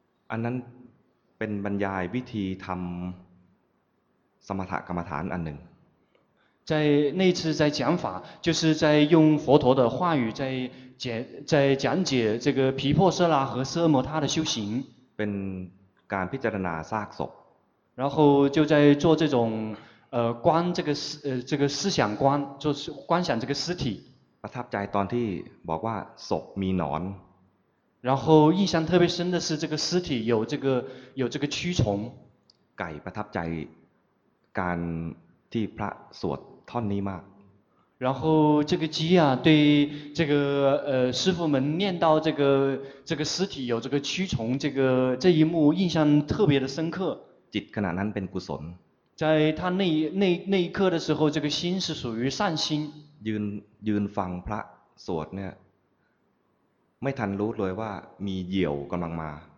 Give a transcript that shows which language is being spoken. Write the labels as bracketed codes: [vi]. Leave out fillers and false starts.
[th] อันนั้นเป็นบรรยายวิธีทำสมถกรรมฐานอันหนึ่ง [zh] 在那次在讲法就是在用佛陀的话语在讲解这个毗婆舍拉和奢摩他的修行 [th] เป็นการพิจารณาซากศพ [zh] 然后就在做这种观这个思想观就是观想这个尸体 [th] ประทับใจตอนที่บอกว่าศพมีหนอน [zh] 然后印象特别深的是这个尸体有这个蛆虫 [th] ไก่ประทับใจการที่พระสวดท่อนนี้มาก [zh] 然后这个鸡啊对这个师父们念到这个尸体有这个蛆虫这一幕印象特别的深刻 [th] จิตขณะนั้นเป็นกุศล [zh] 在他那一刻的时候这个心是属于善心 [th] ยืนฟังพระสวดเนี่ยไม่ทันรู้เลยว่ามีเหยี่ยวกำลังมา